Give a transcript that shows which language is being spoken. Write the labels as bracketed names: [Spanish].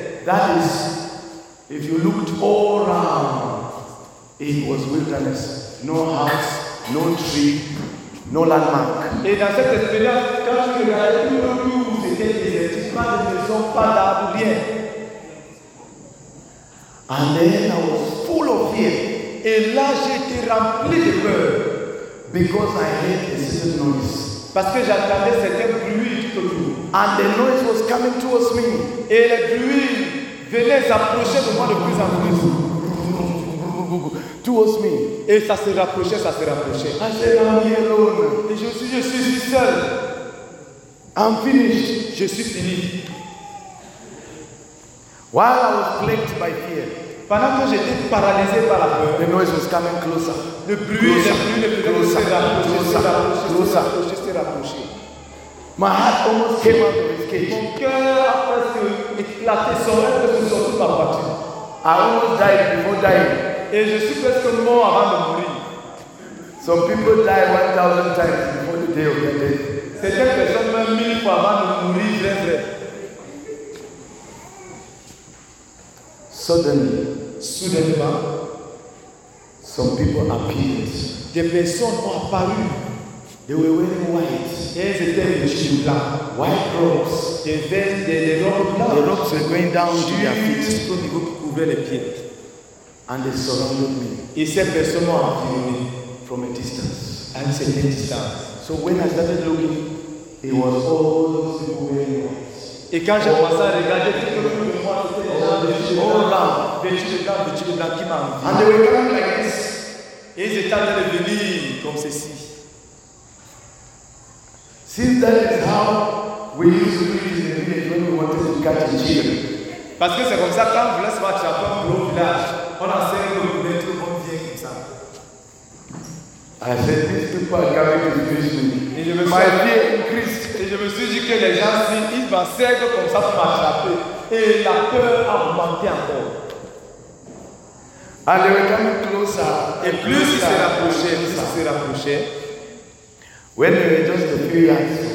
[English] That is, if you looked all around, it was wilderness. No house, no tree, no landmark. [French] Et dans cette expérience, quand tu regardais tout le monde, c'était désertique, pas de maison, pas d'arbre, rien. [English] And then I was full of fear. [French] Et là, j'étais rempli de peur. [English] Because I heard a certain noise. [French] Parce que j'entendais certains bruits tout autour. [English] And the noise was coming towards me. [French] Et le bruit venait s'approcher de moi de plus en plus. [English] Towards me. [French] Et ça se rapprochait, ça se rapprochait. [English] I said, I'm here alone. [French] Et je suis seul. [English] I'm finished. [French] Je suis fini. [English] While I was plagued by fear, [French] pendant que j'étais paralysé par la peur, [English] the noise was coming closer. [French] Le bruit ne pouvait plus se rapprocher. [English] My heart almost came out of its cage. [French] Mon cœur a presque éclaté sans même que nous sortions de ma voiture. [English] I almost died before dying. [French] Et je suis presque mort avant de mourir. [English] Some people die 1,000 times before the day of their death. [French] Certaines personnes meurent 1,000 fois avant de mourir, vrai, vrai. [English] Suddenly, [French] soudainement, [English] some people appeared. [French] Des personnes ont apparu. [English] They were wearing white. [French] Et c'était des chemises blanches. [English] White robes. [French] Des vestes, des robes blanches. [English] The robes were going down to their feet. [French] Juste au niveau qui couvrait les pieds. [English] And they surrounded me. [French] Et ces personnes m'ont entouré. [English] From a distance. [French] À une certaine distance. [English] So when I started looking, it was all those people wearing white. [French] Et quand j'ai commencé à regarder tout le monde, [English] and they were coming like this. [French] Et ils étaient en train de venir comme ceci. [English] Since that is how we used to read in the village when we wanted to catch a chicken. [French] Parce que c'est comme ça, quand vous laissez voir un gros village, on enseigne que vous êtes tout le monde vient comme ça. [English] I said, these people are coming to finish me. [French] Et je me [English] my fear increased. [French] Et je me suis dit que les gens disent, ils vont servir comme ça pour m'attraper. Et la peur a augmenté encore. [English] And they were coming closer. [French] Et plus ils se rapprochaient, plus ils se rapprochaient. [English] When they were just a few yards.